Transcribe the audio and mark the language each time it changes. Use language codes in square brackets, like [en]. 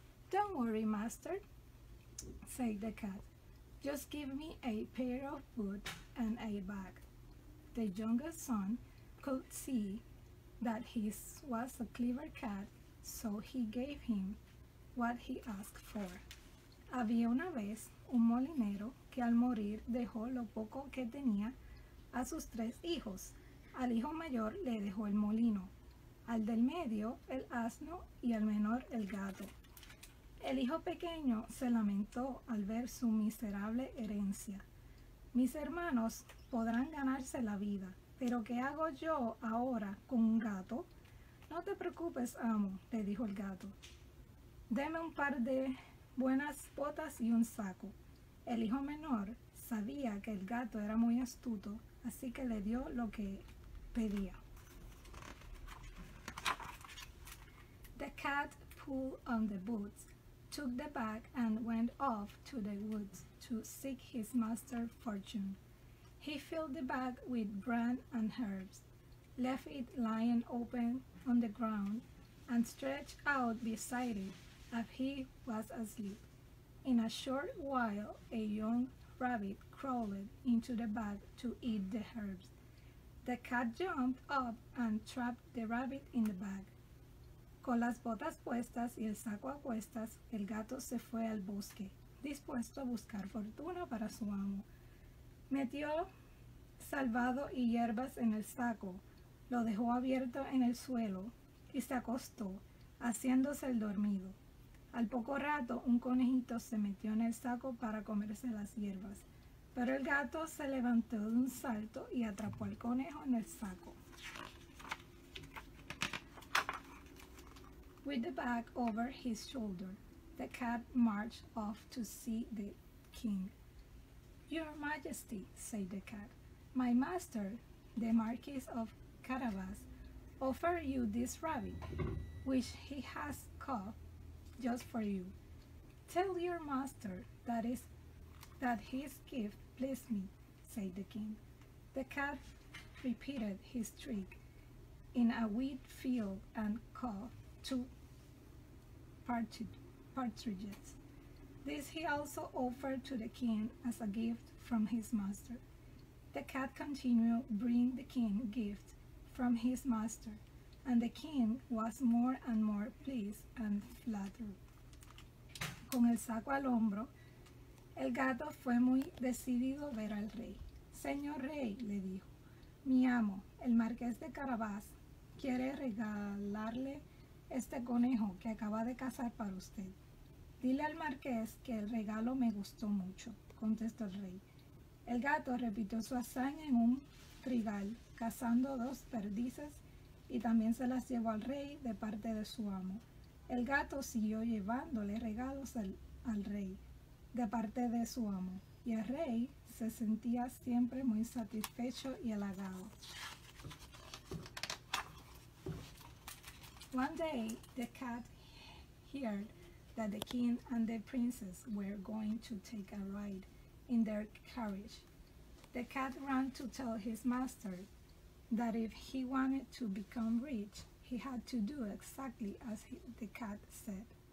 [en] "Don't worry, master," said the cat. "Just give me a pair of boots and a bag." The youngest son could see that he was a clever cat, so he gave him what he asked for. [es] Había una vez un molinero que al morir dejó lo poco que tenía a sus tres hijos. Al hijo mayor le dejó el molino, al del medio el asno y al menor el gato. El hijo pequeño se lamentó al ver su miserable herencia. "Mis hermanos podrán ganarse la vida, pero ¿qué hago yo ahora con un gato?" "No te preocupes, amo," le dijo el gato. "Deme un par de buenas botas y un saco." El hijo menor sabía que el gato era muy astuto, así que le dio lo que pedía. [en] The cat pulled on the boots, took the bag, and went off to the woods to seek his master's fortune. He filled the bag with bran and herbs, left it lying open on the ground, and stretched out beside it as he was asleep. In a short while, a young rabbit crawled into the bag to eat the herbs. The cat jumped up and trapped the rabbit in the bag. [es] Con las botas puestas y el saco a cuestas, el gato se fue al bosque, dispuesto a buscar fortuna para su amo. Metió salvado y hierbas en el saco, lo dejó abierto en el suelo y se acostó, haciéndose el dormido. Al poco rato, un conejito se metió en el saco para comerse las hierbas, pero el gato se levantó de un salto y atrapó al conejo en el saco. [en] With the bag over his shoulder, the cat marched off to see the king. "Your Majesty," said the cat, "my master, the Marquis of Carabas, offers you this rabbit, which he has caught just for you. Tell your master that his gift pleased me," said the king. The cat repeated his trick in a wheat field and caught two partridges. This he also offered to the king as a gift from his master. The cat continued bringing the king gifts from his master, and the king was more and more pleased and flattered. [es] Con el saco al hombro, el gato fue muy decidido a ver al rey. "Señor rey," le dijo, "mi amo, el marqués de Carabas, quiere regalarle este conejo que acaba de cazar para usted." "Dile al marqués que el regalo me gustó mucho," contestó el rey. El gato repitió su hazaña en un trigal, cazando dos perdices, y también se las llevó al rey de parte de su amo. El gato siguió llevándole regalos al rey de parte de su amo, y el rey se sentía siempre muy satisfecho y halagado. [en] One day, the cat heard that the king and the princess were going to take a ride in their carriage. The cat ran to tell his master that if he wanted to become rich, he had to do exactly as the cat said.